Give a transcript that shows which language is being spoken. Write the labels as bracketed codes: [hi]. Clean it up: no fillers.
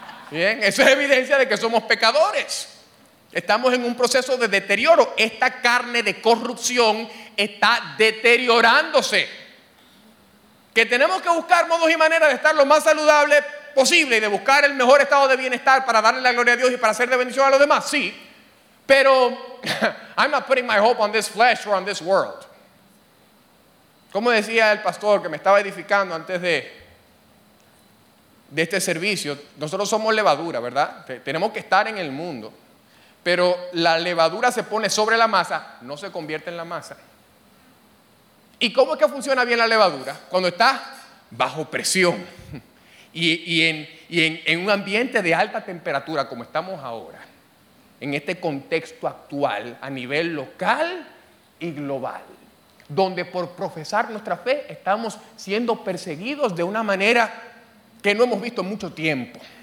[es] Bien, eso es evidencia de que somos pecadores. Estamos en un proceso de deterioro. Esta carne de corrupción está deteriorándose. Que tenemos que buscar modos y maneras de estar lo más saludable posible y de buscar el mejor estado de bienestar para darle la gloria a Dios y para hacer de bendición a los demás, sí. [en] Pero I'm not putting my hope on this flesh or on this world. [es] Como decía el pastor que me estaba edificando antes de este servicio, nosotros somos levadura, ¿verdad? Tenemos que estar en el mundo. Pero la levadura se pone sobre la masa, no se convierte en la masa. ¿Y cómo es que funciona bien la levadura? Cuando está bajo presión y en un ambiente de alta temperatura como estamos ahora, en este contexto actual a nivel local y global, donde por profesar nuestra fe estamos siendo perseguidos de una manera que no hemos visto en mucho tiempo.